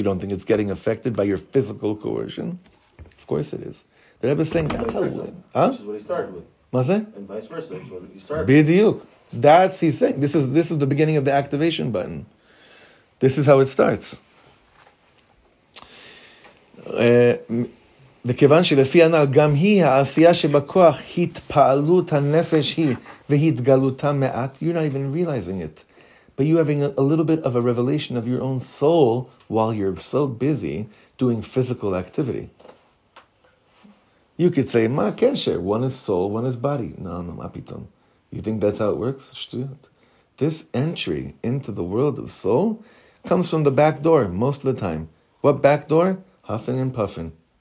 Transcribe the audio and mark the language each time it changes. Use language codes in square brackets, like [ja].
[en] You don't think it's getting affected by your physical coercion? Of course it is. The Rebbe is saying, that's how it is. Which is what he started with. What's that? And vice versa, which is what he started with. Bidiyuk. That's he's saying. This is the beginning of the activation button. This is how it starts. [he] וכיוון שלפי הנעל גם היא העשייה שבכוח התפעלות הנפש היא והתגלותה מעט, [en] you're not even realizing it. But you're having a little bit of a revelation of your own soul while you're so busy doing physical activity. You could say, [he] מה הקשר? [en] One is soul, one is body. No, no, [he] מה פתאום? [en] You think that's how it works? שטויות. This entry into the world of soul comes from the back door most of the time. What back door? Huffing and puffing.